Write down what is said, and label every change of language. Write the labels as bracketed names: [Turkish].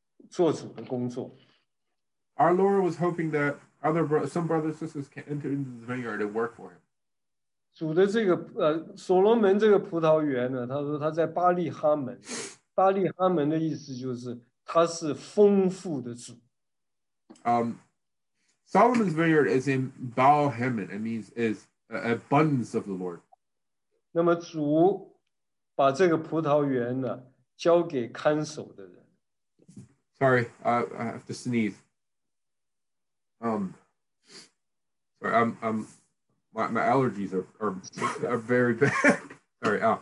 [Chinese] 主在那里盼望有人能够进到园子里面去做主的工作。 [English] Our Lord was hoping that some brothers and sisters can enter into the vineyard and work for him. [Chinese] 主的这个所罗门这个葡萄园呢，他说他在巴利哈门，巴利哈门的意思就是。他是丰富的主。 [English] Solomon's vineyard is in Baal-Hamon. It means is abundance of the Lord. [Chinese] 那么主把这个葡萄园呢交给看守的人。Sorry, [English] I have to sneeze. Sorry, my allergies are very bad. Sorry.